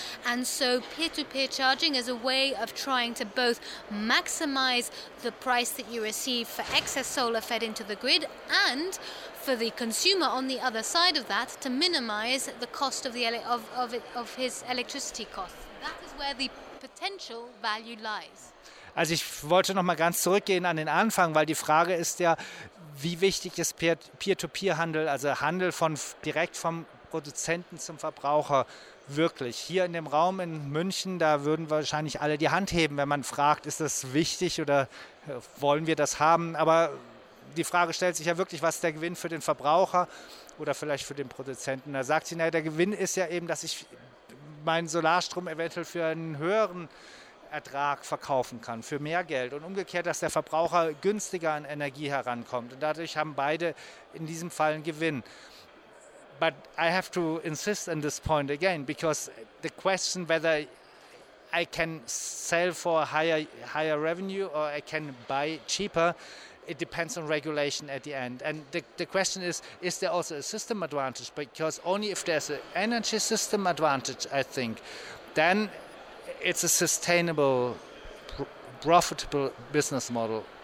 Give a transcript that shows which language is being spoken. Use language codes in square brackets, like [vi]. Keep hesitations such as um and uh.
[en] And so, peer to peer charging is a way of trying to both maximize the price that you receive for excess solar fed into the grid and for the consumer on the other side of that to minimize the cost of, the of, of, it, of his electricity cost. That is where the potential value lies. [de] Also ich wollte noch mal ganz zurückgehen an den Anfang, weil die Frage ist ja, wie wichtig ist Peer-to-Peer-Handel, also Handel von direkt vom Produzenten zum Verbraucher wirklich. Hier in dem Raum in München, da würden wahrscheinlich alle die Hand heben, wenn man fragt, ist das wichtig oder wollen wir das haben? Aber die Frage stellt sich ja wirklich, was ist der Gewinn für den Verbraucher oder vielleicht für den Produzenten? Da sagt sie, naja, der Gewinn ist ja eben, dass ich meinen Solarstrom eventuell für einen höheren Ertrag verkaufen kann, für mehr Geld und umgekehrt, dass der Verbraucher günstiger an Energie herankommt. Und dadurch haben beide in diesem Fall einen Gewinn. [en] But I have to insist on this point again because the question whether I can sell for higher higher revenue or I can buy cheaper it depends on regulation at the end. And the, the question is, is there also a system advantage? Because only if there's an energy system advantage, I think, then it's a sustainable, profitable business model.